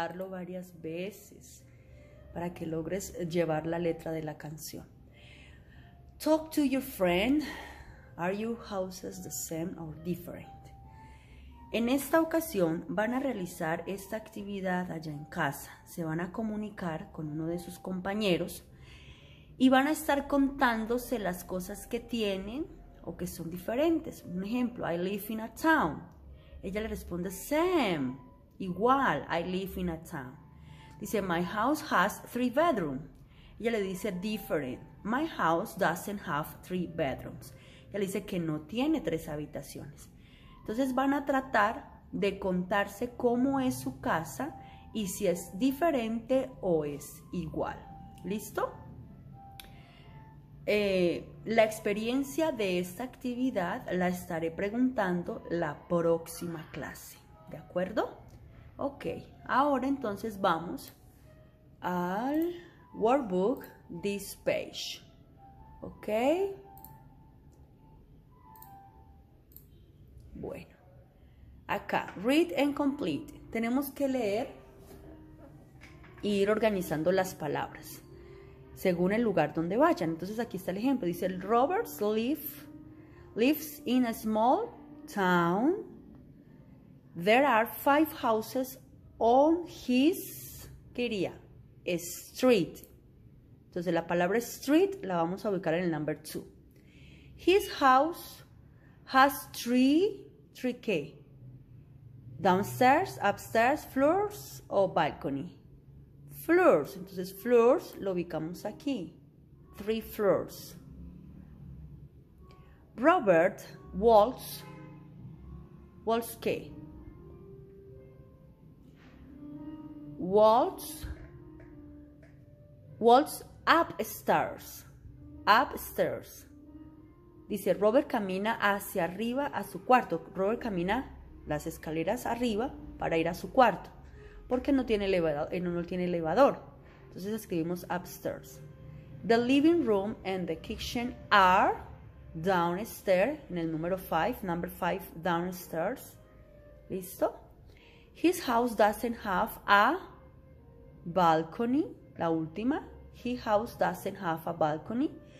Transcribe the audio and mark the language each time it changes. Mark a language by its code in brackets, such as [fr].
[es] Varias veces para que logres llevar la letra de la canción. [en] Talk to your friend. Are your houses the same or different? [es] En esta ocasión van a realizar esta actividad allá en casa. Se van a comunicar con uno de sus compañeros y van a estar contándose las cosas que tienen o que son diferentes. Un ejemplo, [en] I live in a town. [es] Ella le responde, [en] same. [es] Igual, [en] I live in a town. [es] Dice, [en] my house has 3 bedrooms. [es] Ella le dice, [en] different. My house doesn't have 3 bedrooms. [es] Ella le dice que no tiene 3 habitaciones. Entonces van a tratar de contarse cómo es su casa y si es diferente o es igual. ¿Listo? La experiencia de esta actividad la estaré preguntando la próxima clase. ¿De acuerdo? Ok, ahora entonces vamos al workbook, [en] this page. [es] Ok. Bueno, acá, [en] read and complete. [es] Tenemos que leer e ir organizando las palabras según el lugar donde vayan. Entonces aquí está el ejemplo. Dice, [en] Robert lives in a small town. There are 5 houses on his, [es] ¿qué diría? [en] Street. [es] Entonces la palabra street la vamos a ubicar en el number 2. [en] His house has 3 [es] ¿qué? [en] Downstairs, upstairs, floors o balcony. [es] Floors, entonces floors lo ubicamos aquí. [en] 3 floors. Robert walks [es] ¿qué? [en] Waltz upstairs. Upstairs. [es] Dice, Robert camina hacia arriba a su cuarto. Robert camina las escaleras arriba para ir a su cuarto. Porque no tiene elevador. No tiene elevador. Entonces escribimos upstairs. [en] The living room and the kitchen are downstairs. [es] En el número 5. [en] Number 5, downstairs. [es] ¿Listo? [en] His house doesn't have a balcony, [es] la última. [en] He house doesn't have a balcony.